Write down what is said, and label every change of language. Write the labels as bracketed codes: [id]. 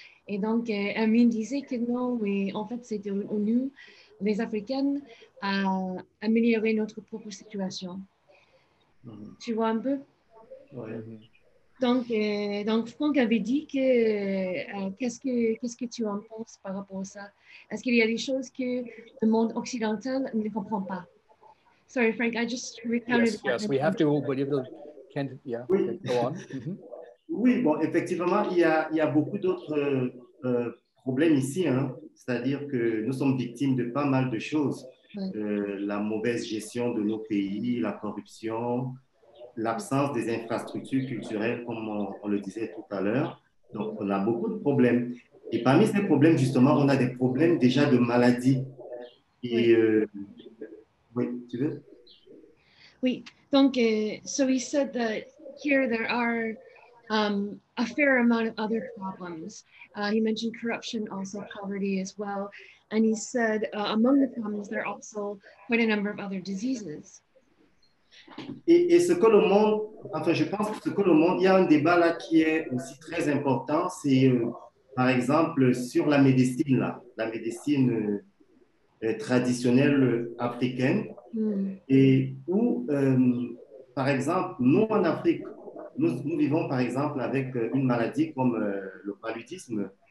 [fr] Et donc, Amine disait que non, mais en fait, c'est nous, les Africaines, à améliorer notre propre situation. Mm-hmm. Tu vois un peu? Oui. Donc, Franck avait dit que qu'est-ce que tu en penses par rapport à ça? Est-ce qu'il y a des choses que le monde occidental ne comprend pas? [en] Sorry, Frank, I just recounted. Yes, we have to, but if you can't, yeah, [fr] oui. [en] Go on. Mm-hmm. [fr] Oui, bon, effectivement, il y a beaucoup d'autres problèmes ici, hein. C'est-à-dire que nous sommes victimes de pas mal de choses. Oui. La mauvaise gestion de nos pays, la corruption, l'absence des infrastructures culturelles, comme on le disait tout à l'heure. Donc, on a beaucoup de problèmes. Et parmi ces problèmes, justement, on a des problèmes déjà de maladie. Oui, tu veux? Oui, donc, [en] so he said that here there are a fair amount of other problems. He mentioned corruption, also poverty as well. And he said among the problems, there are also quite a number of other diseases. [fr] Et ce que le monde, enfin, je pense que ce que le monde, il y a un débat là qui est aussi très important, c'est par exemple sur la médecine là, la médecine traditionnelle africaine, et où, par exemple, nous en Afrique, nous vivons par exemple avec une maladie comme le paludisme.